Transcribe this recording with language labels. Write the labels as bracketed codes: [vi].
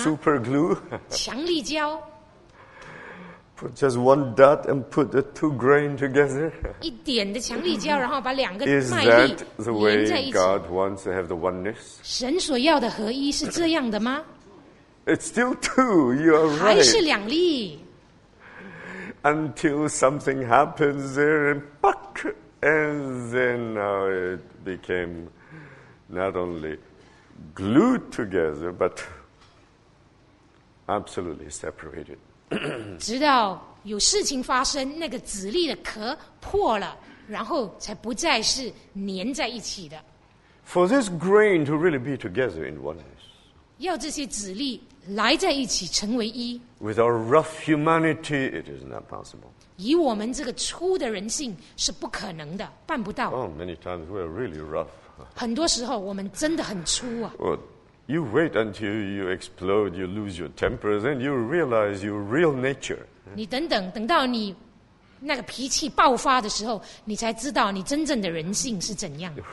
[en] Super glue? [zh] 强力胶。 [en] Put just one dot and put the two grain together. [zh] 一点的强力胶，然后把两个麦粒粘在一起。 [en] Is that the way God wants to have the oneness? [zh] 神所要的合一是这样的吗？ [en] It's still two. You are right. [zh] 还是两粒。 [en] Until something happens there, and buck, and then now it became not only glued together, but absolutely separated. [zh] 直到有事情发生，那个籽粒的壳破了，然后才不再是粘在一起的。 [en] For this grain to really be together in oneness, [zh] 要这些籽粒来在一起成为一。 [en] With our rough humanity, it is not possible. [zh] 以我们这个粗的人性是不可能的，办不到。 [en] Oh, many times we are really rough. [zh] 很多时候我们真的很粗啊。 [en] You wait until you explode, you lose your temper, then you realize your real nature. [zh] 你等到你那个脾气爆发的时候，你才知道你真正的人性是怎样。